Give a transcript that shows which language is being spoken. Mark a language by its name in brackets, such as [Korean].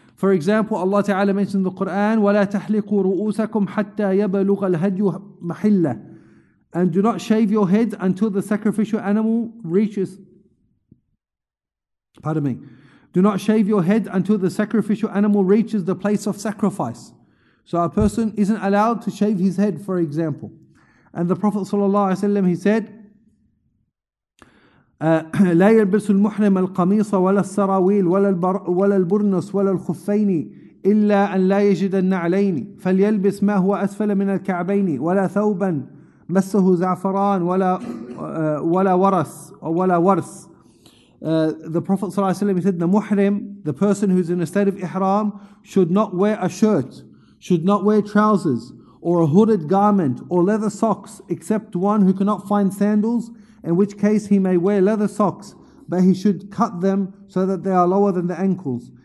[English] For example, Allah Ta'ala mentions in the Quran, [Arabic] وَلَا تَحْلِقُوا رُؤُوسَكُمْ حَتَّى يَبَلُغَ الْهَدْيُ مَحِلَّةِ. [English] And do not shave your head until the sacrificial animal reaches Pardon me. Do not shave your head until the sacrificial animal reaches the place of sacrifice. So a person isn't allowed to shave his head, for example. And the Prophet ﷺ, he said, [Arabic] لا يلبس المحرم القميص ولا السراويل ولا البرنس ولا الخفين إلا أن لا يجد النعلين فليلبس ما هو أسفل من الكعبين ولا ثوبا مسه زعفران ولا ورث. [English] The Prophet ﷺ said, the muhrim, the person who's in a state of ihram, should not wear a shirt, should not wear trousers or a hooded garment or leather socks, except one who cannot find sandals, in which case he may wear leather socks, but he should cut them so that they are lower than the ankles.